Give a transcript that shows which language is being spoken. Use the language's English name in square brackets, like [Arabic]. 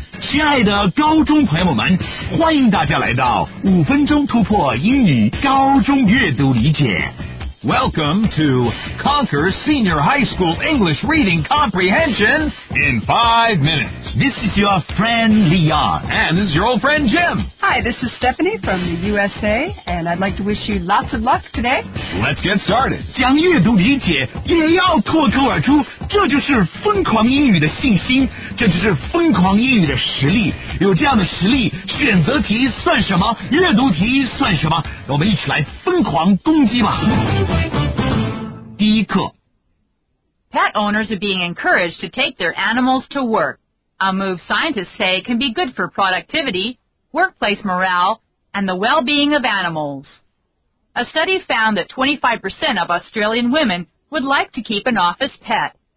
[Chinese] 亲爱的高中朋友们，欢迎大家来到五分钟突破英语高中阅读理解。 [English] Welcome to Conquer Senior High School English Reading Comprehension in 5 minutes. This is your friend Leon. And this is your old friend Jim. Hi, this is Stephanie from the USA, and I'd like to wish you lots of luck today. Let's get started. [Chinese] 将阅读理解也要脱口而出，这就是疯狂英语的信心，这就是疯狂英语的实力。有这样的实力，选择题算什么？阅读题算什么？我们一起来疯狂攻击吧。第一课 [English] Pet owners are being encouraged to take their animals to work. A move scientists say can be good for productivity, workplace morale, and the well-being of animals. A study found that 25% of Australian women would like to keep an office pet.